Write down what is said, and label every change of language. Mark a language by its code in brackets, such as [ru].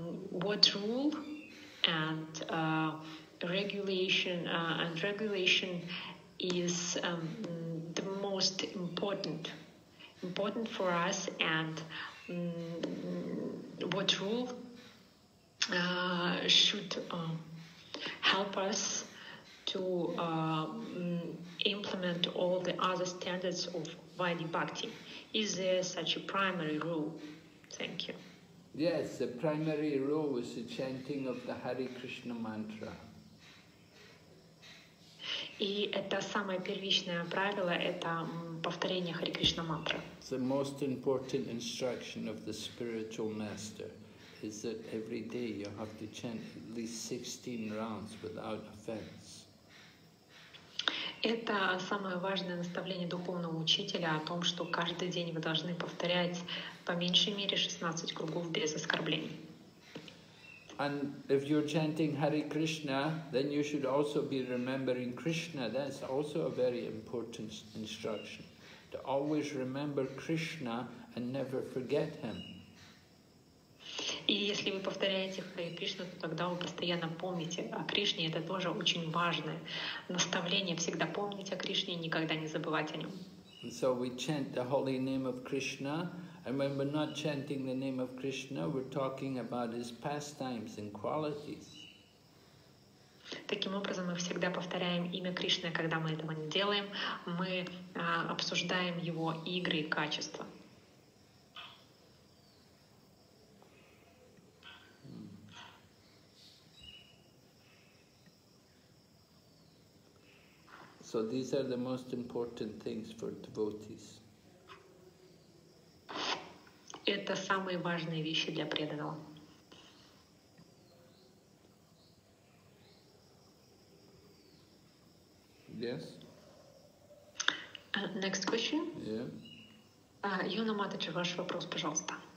[en] What rule and regulation and regulation is the most important for us, and what rule should help us to implement all the other standards of Vaidhi Bhakti? Is there such a primary rule? Thank you. Yes, the primary rule is the chanting of the Hare Krishna mantra. [ru] И это самое первичное правило, это повторение Хари Кришна мантры. [en] The most important instruction of the spiritual master is that every day you have to chant at least 16 rounds without offense. [ru] Это самое важное наставление духовного учителя о том, что каждый день вы должны повторять по меньшей мере 16 кругов без оскорблений. [en] And if you're chanting Hare Krishna, then you should also be remembering Krishna. That's also a very important instruction. To always remember Krishna and never forget him. [ru] И если вы повторяете Хари Кришну, то тогда вы постоянно помните о Кришне. Это тоже очень важное наставление. Всегда помнить о Кришне и никогда не забывать о нем. [en] And so we chant the holy name of Krishna. And when we're not chanting the name of Krishna, we're talking about his pastimes and qualities. [ru] Таким образом, мы всегда повторяем имя Кришны, когда мы этого не делаем. Мы обсуждаем его игры и качества. [en] So these are the most important things for devotees. [ru] Это самые важные вещи для преданного. [en] Yes. Next question. Yeah. [ru] Юна Матыча, ваш вопрос, пожалуйста.